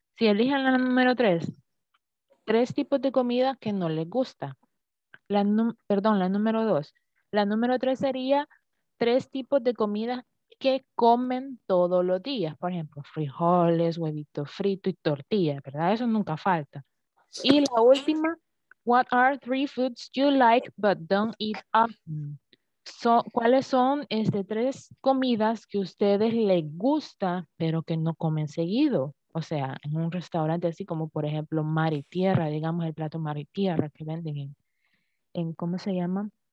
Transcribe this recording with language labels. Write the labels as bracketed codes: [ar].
[es] Si eligen la número tres, tres tipos de comida que no les gusta. La número dos. La número tres sería tres tipos de comida que comen todos los días. Por ejemplo, frijoles, huevito frito y tortilla, ¿verdad? Eso nunca falta. Y la última, [en] what are three foods you like but don't eat often? [es] So, ¿cuáles son estas tres comidas que a ustedes les gusta pero que no comen seguido? O sea, en un restaurante así como, por ejemplo, Mar y Tierra, digamos el plato Mar y Tierra que venden en ¿cómo se llama?